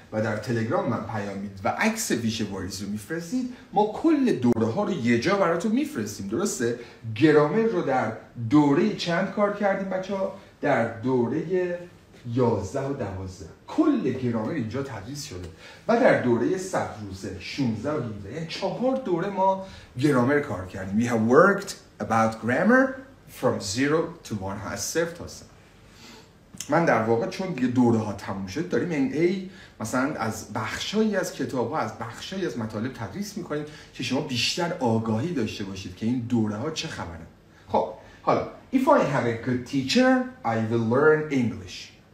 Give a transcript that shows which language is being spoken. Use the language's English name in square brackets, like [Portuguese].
[Persian] و در تلگرام من پیام میدید و عکس ویژه واریز رو میفرستید، ما کل دوره ها رو یه جا براتون میفرستیم، درسته؟ گرامر رو در دوره چند کار کردیم بچه ها؟ در دوره 11 و 12 کل گرامر اینجا تدریس شده و در دوره 100 روزه 16 و 17 یعنی 4 دوره ما گرامر کار کردیم. [English] We have worked about grammar from 0 to 1 [Persian] از 0 تا 100. من در واقع چون دیگه دوره ها تموم شد داریم این ای مثلا از بخشایی از کتاب ها از بخشایی از مطالب تدریس میکنیم که شما بیشتر آگاهی داشته باشید که این دوره ها چه خبره. خب حالا [English] If I have a good teacher, I will learn English.